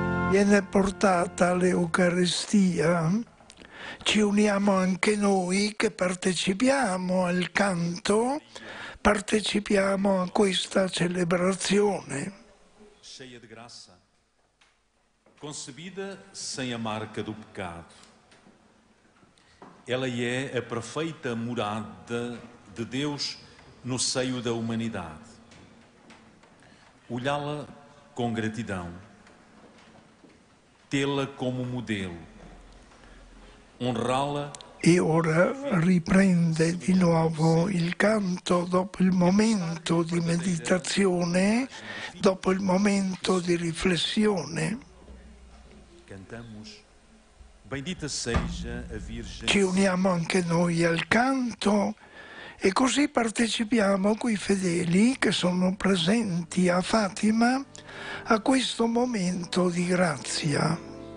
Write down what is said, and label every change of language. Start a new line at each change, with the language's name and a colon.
Italian: viene portata l'Eucaristia, ci uniamo anche noi che partecipiamo al canto, partecipiamo a questa celebrazione.
Portuguese: Cheia de graça, concebida sem a marca do pecado, ela é a perfeita morada de Deus no seio da humanidade. Olhá-la com gratidão, tê-la como modelo, honrá-la.
Italian: E ora riprende di nuovo il canto dopo il momento di meditazione, dopo il momento di riflessione.
Portuguese: Cantamos, bendita seja a Virgem.
Italian: Ci uniamo anche noi al canto e così partecipiamo coi fedeli che sono presenti a Fatima a questo momento di grazia.